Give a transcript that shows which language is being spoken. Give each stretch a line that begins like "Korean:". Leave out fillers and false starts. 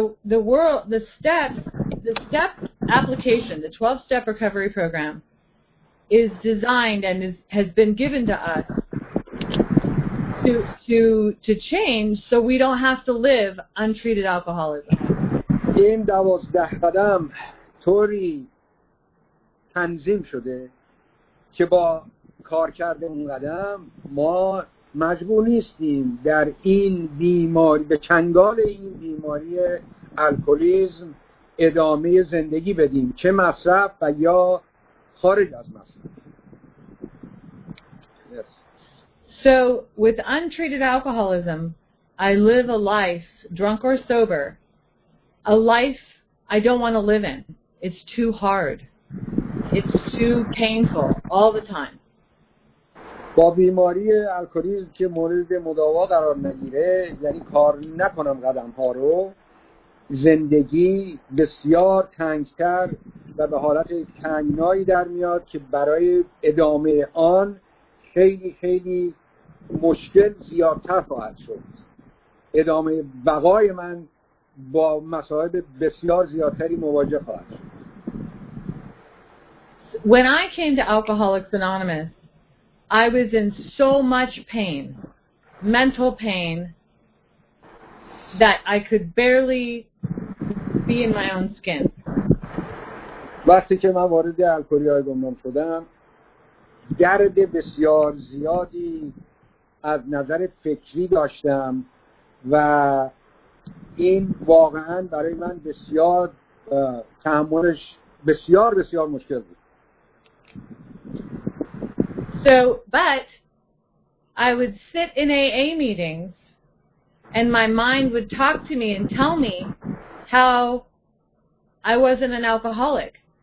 English: So the step application, the 12-step recovery program is designed and has been given to us to change so we don't have to live untreated alcoholism.
Persian: این 12 قدم طوری تنظیم شده که با کار کرده اون قدم ما مجبور نیستیم در این بیماری به چنگال این بیماری الکلیسم ادامه زندگی بدیم، چه مصرف و یا خارج از مصرف.
English: So with untreated alcoholism, I live a life, drunk or sober, a life I don't want to live in. It's too hard. It's too painful all the time.
Persian: با بیماری الکلیسم که مورد مداوا قرار نگیره، یعنی کار نکنم قدم‌ها رو، زندگی بسیار تنگ‌تر و به حالت تنگنایی در میاد که برای ادامه آن خیلی خیلی مشکل زیادتر خواهد شد. ادامه بقای من با مصائب بسیار زیادتری مواجه خواهد شد.
English: When I came to Alcoholics Anonymous, I was in so much pain, mental pain, that I could barely be in my own skin.
Persian: وقتی که من وارد الکلی‌های گمنام شدم، درد بسیار زیادی از نظر فکری داشتم و این واقعا برای من بسیار تحملش بسیار بسیار مشکل بود.
English: So, but I would sit in AA meetings and my mind would talk to me and tell me how I wasn't an alcoholic.